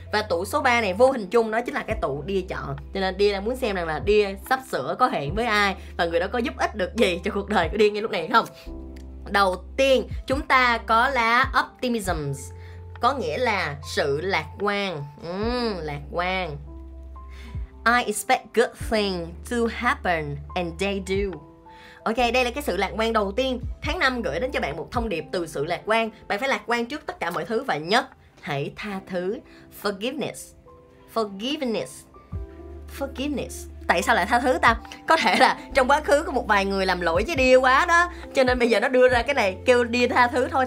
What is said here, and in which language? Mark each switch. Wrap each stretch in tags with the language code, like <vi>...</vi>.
<vi>Và tụ số 3 này vô hình chung nó chính là cái tụ đi chọn, cho nên đi đang muốn xem rằng là đi sắp sửa có hẹn với ai và người đó có giúp ích được gì cho cuộc đời của đi ngay lúc này không. Đầu tiên chúng ta có lá optimism, có nghĩa là sự lạc quan. Lạc quan.</vi> <en>I expect good things to happen and they do.</en> <vi>Ok, đây là cái sự lạc quan đầu tiên. Tháng 5 gửi đến cho bạn một thông điệp từ sự lạc quan. Bạn phải lạc quan trước tất cả mọi thứ và nhất, hãy tha thứ.</vi> <en>Forgiveness. Forgiveness. Forgiveness.</en> <vi>Tại sao lại tha thứ ta? Có thể là trong quá khứ có một vài người làm lỗi với Dia quá đó, cho nên bây giờ nó đưa ra cái này kêu Dia tha thứ thôi.</vi>